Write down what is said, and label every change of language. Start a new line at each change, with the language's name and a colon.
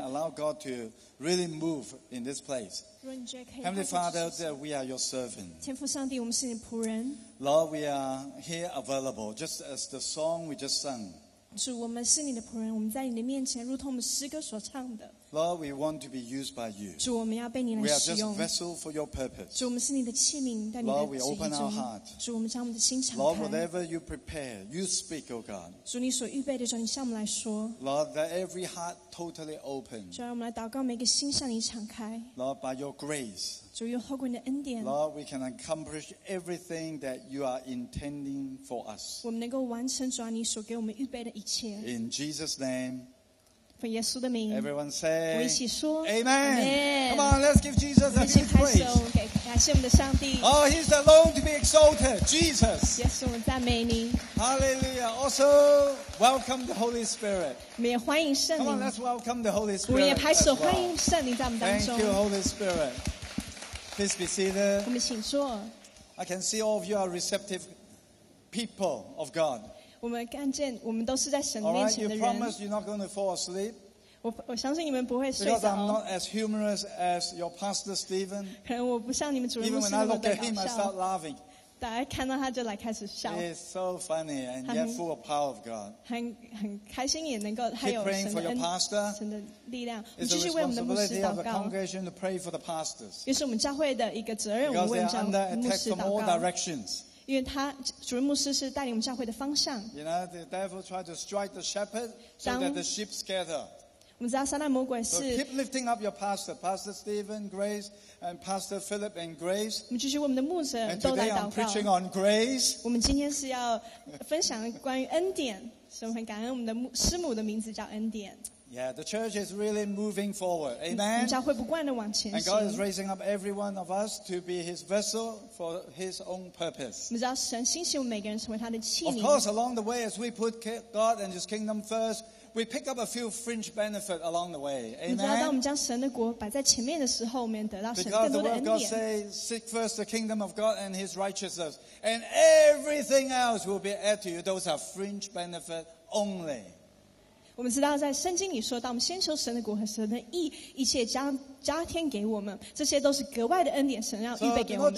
English: Allow God to really move in this place. Heavenly Father, that we are your servant.
Chinese: 天父上帝，我们是你仆人。
English: Lord, we are here available, just as the song we just sung.
Chinese: 主，我们是你的仆人，我们在你的面前，如同我们诗歌所唱的。
English: Lord, we want to be used by you.
Chinese: 主，我们要被你来使用。
English: We are just vessel for your purpose.
Chinese: 主，我们是你的器皿，在你的旨意中。
English: Lord, we open our heart.
Chinese: 主，我们将我们的心敞开。
English: Lord, whatever you prepare, you speak, O God.
Chinese: 主，你所预备的，主，你向我们来说。
English: Lord, let every heart totally open.
Chinese: 主，让我们来祷告，每个心向你敞开。
English: Lord, by your grace.
Chinese: 主，用透过你的恩典。
English: Lord, we can accomplish everything that you are intending for us.
Chinese: 我们能够完成主啊，你所给我们预备的一切。
English: In Jesus' name.
Chinese: 奉耶稣的名，
English: everyone say,
Chinese: 我一起说
English: Amen. Amen. Come on, let's give Jesus a big praise.
Chinese: 感谢我们的上帝。
English: Oh, he's alone to be exalted, Jesus.
Chinese: 耶稣，我们赞美你。
English: Hallelujah. Also, welcome the Holy Spirit.
Chinese: 我们也欢迎圣灵。
English: Come on, let's welcome the Holy Spirit.
Chinese: 我们也拍手欢迎圣灵在我们当中。
English: Thank you, Holy Spirit. Please be seated.
Chinese: 我们请坐。
English: I can see all of you are receptive people of God.
Chinese: 我们看见，我们都是在神面前的人。
English: You promise you're not going to fall asleep.
Chinese: 我相信你们不会睡着。
English: Because I'm not as humorous as your pastor Stephen.
Chinese: 可能我不像你们主任牧师那么的搞笑。
English: Even when I look at him, I start laughing.
Chinese: 大家看到他就来开始笑。
English: It's so funny and yet full of power of God.
Chinese: 很开心，也能够还有神的力量。
English: Keep praying for your pastor.
Chinese: 神的力量，我们继续为我们的牧师祷告。
English: It's the responsibility of the congregation to pray for the pastors.
Chinese: 也是我们教会的一个责任，我们为教牧师祷告。
English: Because they are under attack from all directions.
Chinese: 因为他主任牧师是带领我们教会的方向。
English: You know, the devil tried to strike the shepherd so that the sheep scatter.
Chinese: 我们知道撒旦魔鬼是。
English: So keep lifting up your pastor, Pastor Stephen, Grace, and Pastor Philip and Grace.
Chinese: 我们继续我们的牧者都来祷告。
English: And today I'm preaching on grace.
Chinese: 我们今天是要分享关于恩典，所以我们很感恩我们的师母的名字叫恩典。
English: Yeah, the church is really moving forward. Amen.
Chinese: 教会不断的往前行。
English: And God is raising up every one of us to be His vessel for His own purpose.
Chinese: 我们知道神兴起我们每个人成为他的器皿。
English: Of course, along the way, as we put God and His kingdom first, we pick up a few fringe benefit along the way. Amen.
Chinese: 我们知道，当我们将神的国摆在前面的时候，我们得到神更多的恩典。
English: Because the word of God says, "Seek first the kingdom of God and His righteousness, and everything else will be added to you." Those are fringe benefit only.
Chinese: 我们知道在圣经里说，当我们先求神的国和神的义，一切将加添给我们，这些都是格外的恩典，神要预备给我们的。